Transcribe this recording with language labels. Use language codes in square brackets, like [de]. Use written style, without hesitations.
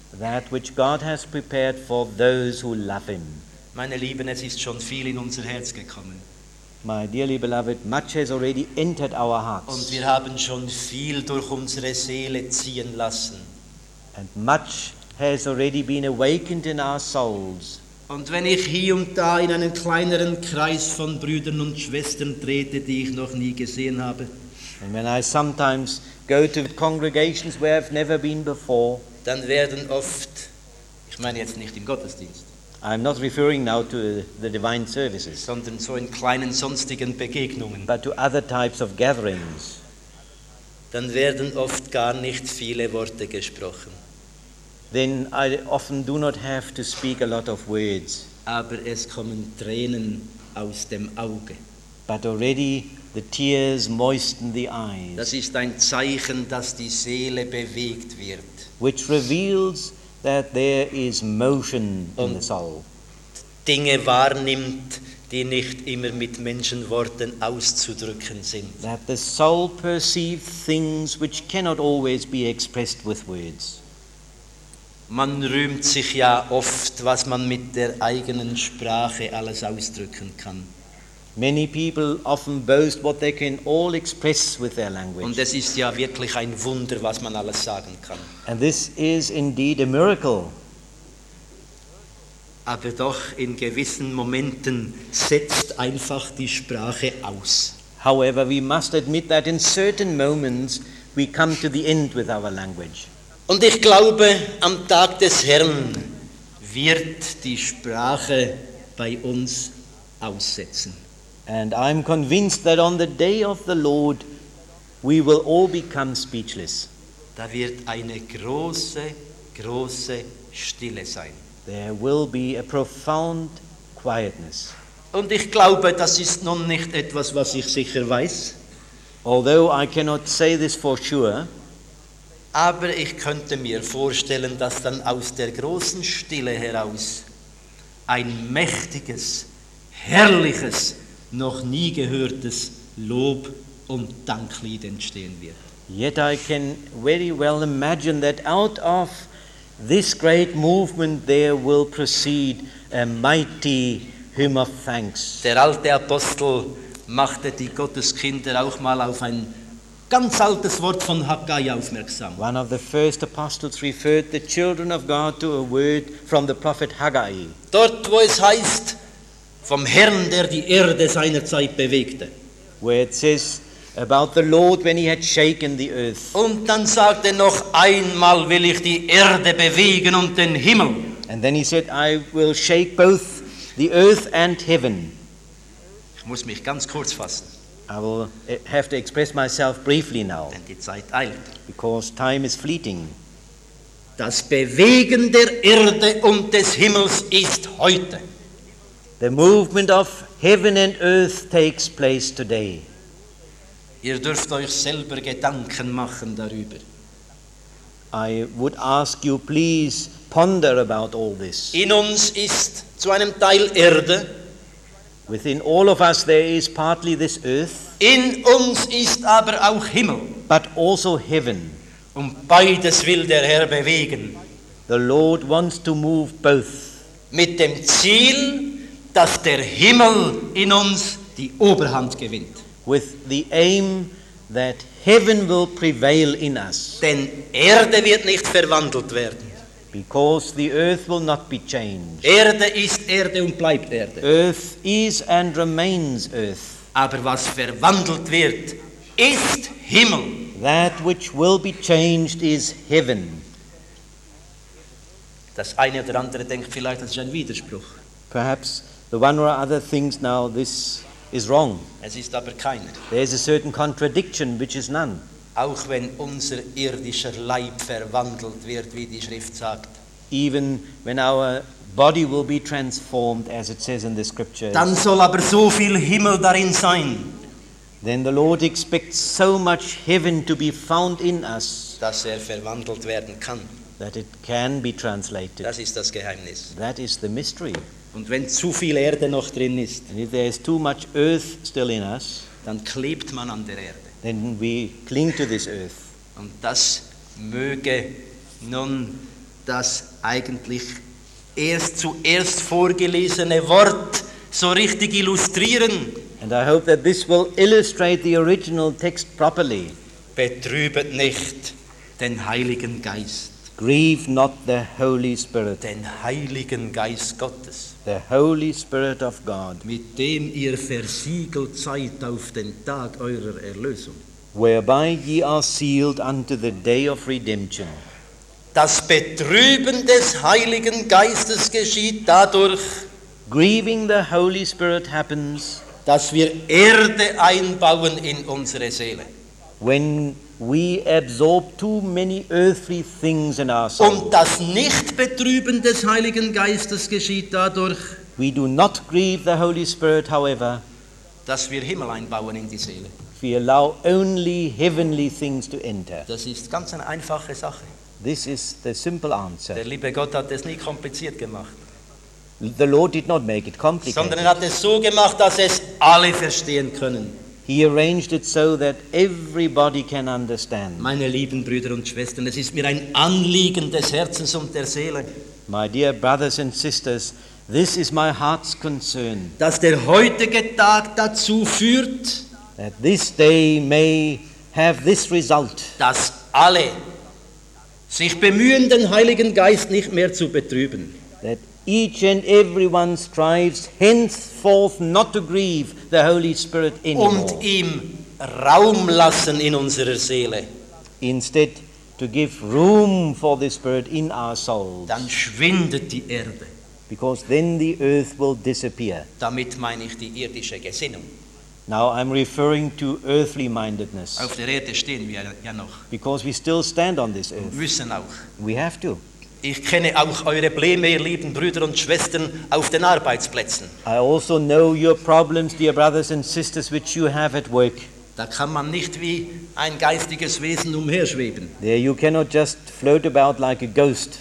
[en] That which God has prepared for those who love him. [de] Meine Lieben, es ist schon viel in unser Herz gekommen. [en] My dearly beloved, much has already entered our hearts. [de] Und wir haben schon viel durch unsere Seele ziehen lassen. [en] And much has already been awakened in our souls. [de] Und wenn ich hier und da in einen kleineren Kreis von Brüdern und Schwestern trete, die ich noch nie gesehen habe. [en] And when I sometimes go to congregations where I've never been before. [de] Dann werden oft, ich meine jetzt nicht im Gottesdienst. [en] I'm not referring now to the divine services. [de] Sondern so in kleinen sonstigen Begegnungen. [en] But to other types of gatherings. [de] Dann werden oft gar nicht viele Worte gesprochen. [en] Then I often do not have to speak a lot of words. [de] Aber es kommen Tränen aus dem Auge. [en] But already the tears moisten the eyes. [de] Das ist ein Zeichen, dass die Seele bewegt wird. [en] Which reveals that there is motion in the soul. [de] Dinge wahrnimmt, die nicht immer mit Menschenworten auszudrücken sind. [en] That the soul perceives things which cannot always be expressed with words. [de] Man rühmt sich ja oft, was man mit der eigenen Sprache alles ausdrücken kann. [en] Many people often boast what they can all express with their language. [de] Und es ist ja wirklich ein Wunder, was man alles sagen kann. [en] And this is indeed a miracle. [de] Aber doch in gewissen Momenten setzt einfach die Sprache aus. [en] However, we must admit that in certain moments we come to the end with our language. [de] Und ich glaube, am Tag des Herrn wird die Sprache bei uns aussetzen. [en] And I'm convinced that on the day of the Lord we will all become speechless. [de] Da wird eine große, große Stille sein. [en] There will be a profound quietness. [de] Und ich glaube, das ist nun nicht etwas, was ich sicher weiß. [en] Although I cannot say this for sure, [de] aber ich könnte mir vorstellen, dass dann aus der großen Stille heraus ein mächtiges, herrliches, noch nie gehörtes Lob und Danklied entstehen wird. [en] Yet I can very well imagine that out of this great movement there will proceed a mighty hymn of thanks. [de] Der alte Apostel machte die Gotteskinder auch mal auf ein ganz altes Wort von Haggai aufmerksam. [en] One of the first apostles referred the children of God to a word from the prophet Haggai. [de] Dort, wo es heißt, vom Herrn, der die Erde seinerzeit bewegte. [en] Where it says about the Lord when he had shaken the earth. [de] Und dann sagte noch einmal, will ich die Erde bewegen und den Himmel. [en] And then he said, I will shake both the earth and heaven. [de] Ich muss mich ganz kurz fassen. [en] I will have to express myself briefly now. [de] Denn die Zeit eilt. [en] Because time is fleeting. [de] Das Bewegen der Erde und des Himmels ist heute. [en] The movement of heaven and earth takes place today. [de] Ihr dürft euch selber Gedanken machen darüber. [en] I would ask you, please ponder about all this. [de] In uns ist zu einem Teil Erde. [en] Within all of us there is partly this earth. [de] In uns ist aber auch Himmel. [en] But also heaven. [de] Und beides will der Herr bewegen. [en] The Lord wants to move both. [de] Mit dem Ziel, dass der Himmel in uns die Oberhand gewinnt. [en] With the aim that heaven will prevail in us. [de] Denn Erde wird nicht verwandelt werden. [en] Because the earth will not be changed. [de] Erde ist Erde und bleibt Erde. [en] Earth is and remains earth. [de] Aber was verwandelt wird, ist Himmel. [en] That which will be changed is heaven. [de] Das eine oder andere denkt vielleicht, das ist ein Widerspruch. [en] Perhaps the one or other thinks now this is wrong. [de] Es ist aber keiner. [en] There is a certain contradiction which is none. [de] Auch wenn unser irdischer Leib verwandelt wird, wie die Schrift sagt. [en] Even when our body will be transformed, as it says in the scriptures. [de] Dann soll aber so viel Himmel darin sein. [en] Then the Lord expects so much heaven to be found in us. [de] Dass er verwandelt werden kann. [en] That it can be translated. [de] Das ist das Geheimnis. [en] That is the mystery. [de] Und wenn zu viel Erde noch drin ist. [en] And if there is too much earth still in us. [de] Dann klebt man an der Erde. [en] Then we cling to this earth. [de] Und das möge nun das eigentlich erst zuerst vorgelesene Wort so richtig illustrieren. [en] And I hope that this will illustrate the original text properly. [de] Betrübet nicht den Heiligen Geist. [en] Grieve not the Holy Spirit. [de] Den Heiligen Geist Gottes. [en] The Holy Spirit of God. [de] Mit dem ihr versiegelt seid auf den Tag eurer Erlösung. [en] Whereby ye are sealed unto the day of redemption. [de] Das Betrüben des Heiligen Geistes geschieht dadurch. [en] Grieving the Holy Spirit happens. [de] Dass wir Erde einbauen in unsere Seele. [en] When we absorb too many earthly things in our soul. [de] Und das Nicht-Betrüben des Heiligen Geistes geschieht dadurch. [en] We do not grieve the Holy Spirit, however. [de] Dass wir Himmel einbauen in die Seele. [en] We allow only heavenly things to enter. [de] Das ist ganz eine einfache Sache. [en] This is the simple answer. [de] Der liebe Gott hat es nie kompliziert gemacht. [en] The Lord did not make it complicated. [de] Sondern er hat es so gemacht, dass es alle verstehen können. [en] He arranged it so that everybody can understand. [de] Meine lieben Brüder und Schwestern, es ist mir ein Anliegen des Herzens und der Seele. [en] My dear brothers and sisters, This is my heart's concern. [de] Dass der heutige Tag dazu führt, [en] that this day may have this result. [de] Dass alle sich bemühen, den Heiligen Geist nicht mehr zu betrüben. [en] That each and everyone strives henceforth not to grieve the Holy Spirit anymore. [de] Und ihm Raum lassen in unserer Seele. [en] Instead, to give room for the Spirit in our souls. [de] Dann schwindet die Erde. [en] Because then the earth will disappear. [de] Damit meine ich die irdische Gesinnung. [en] Now I'm referring to earthly mindedness. [de] Auf der Erde stehen wir ja noch. [en] Because we still stand on this earth. [de] Müssen auch. [en] We have to. [de] Ich kenne auch eure Probleme, ihr lieben Brüder und Schwestern, auf den Arbeitsplätzen. [en] I also know your problems, dear brothers and sisters, which you have at work. [de] Da kann man nicht wie ein geistiges Wesen umherschweben. [en] There you cannot just float about like a ghost.